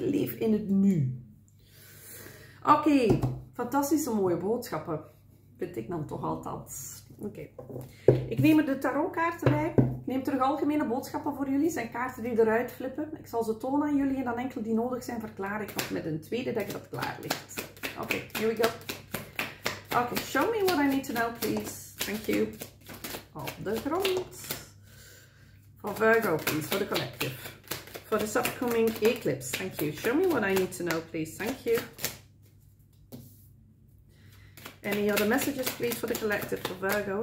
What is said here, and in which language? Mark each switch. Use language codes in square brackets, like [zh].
[nl] Leef in het nu. Oké, fantastische mooie boodschappen, vind ik dan toch altijd. Oké, ik neem er de tarotkaarten bij. Ik neem terug algemene boodschappen voor jullie. Het zijn kaarten die eruit flippen. Ik zal ze tonen aan jullie en dan enkel die nodig zijn, verklaar ik nog met een tweede dek dat klaar ligt. [en] Oké, here we go. Oké, show me what I need to know, please. Thank you. [nl] Op de grond. Voor Virgo, [en] please, [nl] voor de collective. Voor de [en] upcoming eclipse, thank you. Show me what I need to know, please. Thank you. Any other messages, please, for the collective, for Virgo.